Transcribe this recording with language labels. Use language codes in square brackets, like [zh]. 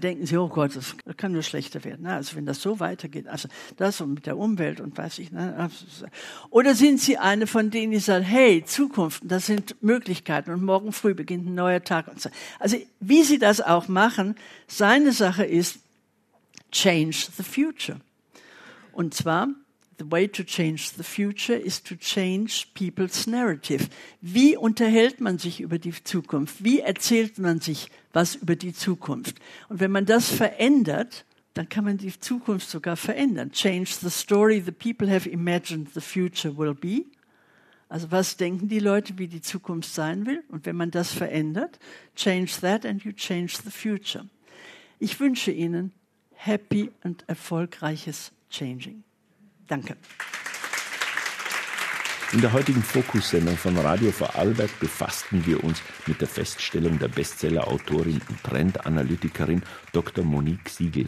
[de] Denken Sie, oh Gott, das kann nur schlechter werden. Also wenn das so weitergeht, also das und mit der Umwelt und weiß ich. Oder sind Sie eine von denen, die sagen, hey, Zukunft, das sind Möglichkeiten und morgen früh beginnt ein neuer Tag. Und so. Also wie Sie das auch machen, seine Sache ist, [en] change the future. [de] Und zwar, [en] the way to change the future is to change people's narrative. [de] Wie unterhält man sich über die Zukunft? Wie erzählt man sich was über die Zukunft? Und wenn man das verändert, dann kann man die Zukunft sogar verändern. [en] Change the story the people have imagined the future will be. [de] Also was denken die Leute, wie die Zukunft sein will? Und wenn man das verändert, [en] change that and you change the future. [de] Ich wünsche Ihnen happy und erfolgreiches Changing. Danke. In der heutigen Fokussendung von Radio Vorarlberg befassten wir uns mit der Feststellung der Bestseller-Autorin und Trendanalytikerin Dr. Monique Siegel.